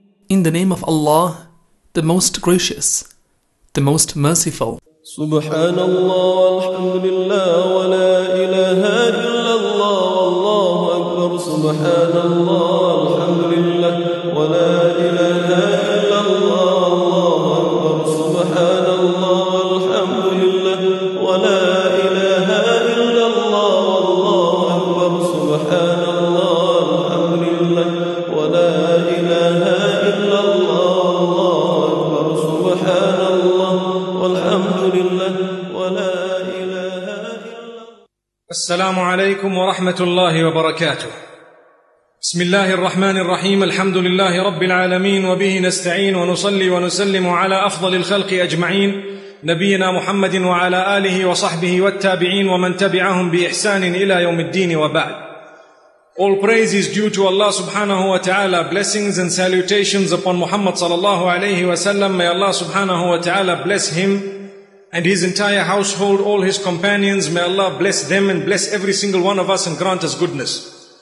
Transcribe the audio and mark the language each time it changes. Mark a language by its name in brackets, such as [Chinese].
[English] In the name of Allah, the most gracious, the most merciful. [Arabic] سبحان الله والحمد لله ولا إله إلا الله والله أكبر. سبحان الله والحمد لله ولا إله إلا الله والله أكبر. سبحان الله والحمد لله ولا إله إلا الله والله أكبر. سبحان الله والحمد لله ولا إله إلا الله والله أكبر. سبحان الله والحمد لله ولا إله إلا. السلام عليكم ورحمة الله وبركاته. بسم الله الرحمن الرحيم. الحمد لله رب العالمين، وبه نستعين، ونصلي ونسلم على أفضل الخلق أجمعين، نبينا محمد وعلى آله وصحبه والتابعين ومن تبعهم بإحسان إلى يوم الدين وبعد. [English] All praise is due to Allah subhanahu wa ta'ala. Blessings and salutations upon Muhammad sallallahu alayhi wa sallam. May Allah subhanahu wa ta'ala bless him and his entire household, all his companions. May Allah bless them and bless every single one of us and grant us goodness.